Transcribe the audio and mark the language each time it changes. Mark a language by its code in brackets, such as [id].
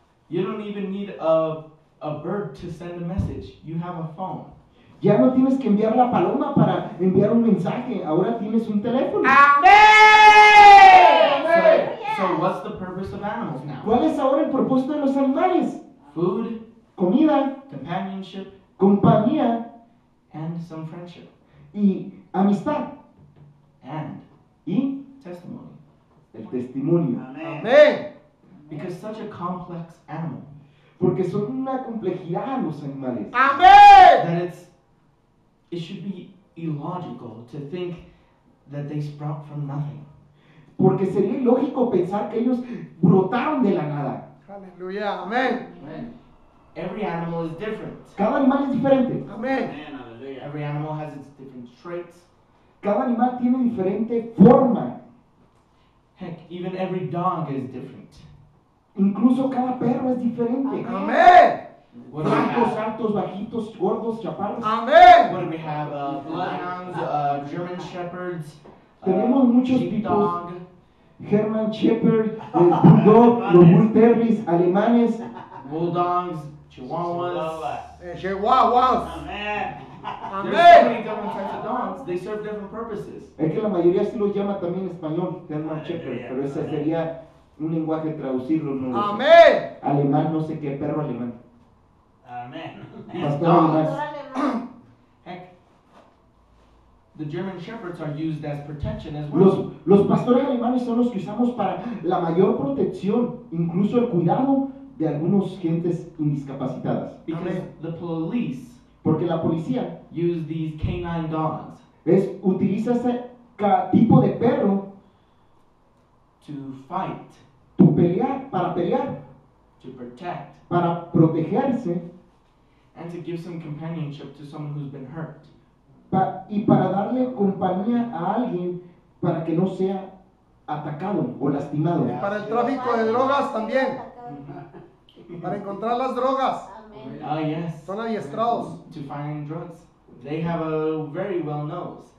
[en] You don't even need a bird to send a message. You have a phone. [es] Ya no tienes que enviar la paloma para enviar un mensaje. Ahora tienes un teléfono. ¡Amén! [en] So what's the purpose of animals now? [es] ¿Cuál es ahora el propósito de los animales? [en] Food. [es] Comida. [en] Companionship. [es] Compañía. [en] And some friendship. [es] Y amistad. [en] And. [es] Y. [en] Testimony. [es] El testimonio. Amén. [en] Because such a complex animal. [es] Porque son una complejidad los animales. Amén. [en] That it should be illogical to think that they sprout from nothing. [es] Porque sería ilógico pensar que ellos brotaron de la nada. Aleluya. Amén. [en] Every animal is different. [es] Cada animal es diferente. Amén. [en] Every animal has its different traits. [es] Cada animal tiene diferente forma. [en] Heck, even every dog is different. [es] Incluso cada perro es diferente. Amén. Blancos, altos, bajitos, gordos, chaparros. Amén. [en] What do we have? Bloodhounds, German Shepherds. [es] Tenemos muchos tipos. German Shepherd, Bulldog, los Bull Terriers, alemanes. [en] Bulldogs, Chihuahuas. [es] Chihuahuas. Amén. Amén. [en] So many different types of dogs. They serve different purposes. [es] Es que la mayoría sí lo llama también español, German Shepherd, pero ese sería un lenguaje traducirlo. No lo amén. Sé. Alemán, no sé qué perro alemán. Amén. Pastor alemán. [en] Heck. The German Shepherds are used as protection as well. [es] Los pastores alemanes son los que usamos para la mayor protección, incluso el cuidado de algunos gentes indiscapacitadas. [en] Because amén. The police. [es] Porque la policía [en] use these canine dogs [es] utiliza ese tipo de perro [en] to fight, [es] para pelear, [en] to protect, [es] para protegerse, [en] and to give some companionship to someone who's been hurt. [es] Y para darle compañía a alguien para que no sea atacado o lastimado. Y para el tráfico de drogas también. Para encontrar las drogas. Amén. [en] Ah, yes. [es] Son adiestrados. [en] To find drugs. They have a very well nose.